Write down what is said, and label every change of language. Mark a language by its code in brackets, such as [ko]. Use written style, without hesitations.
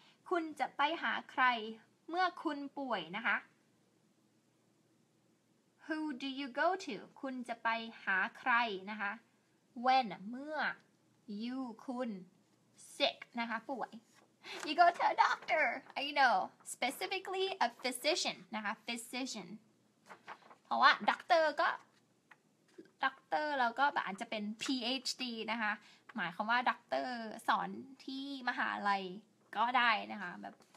[th] คุณจะไปหาใครเมื่อคุณป่วยนะคะ [en] Who do you go to? [th] คุณจะไปหาใครนะคะ When เมื่อ you คุณ sick นะคะป่วย [en] You go to a doctor. I know. Specifically a physician นะคะ physician. [th] เพราะว่า doctor ก็ doctor แล้วก็อาจจะเป็น PhD นะคะหมายความว่าด็อกเตอร์สอนที่มหาลัยก็ได้นะคะแบบ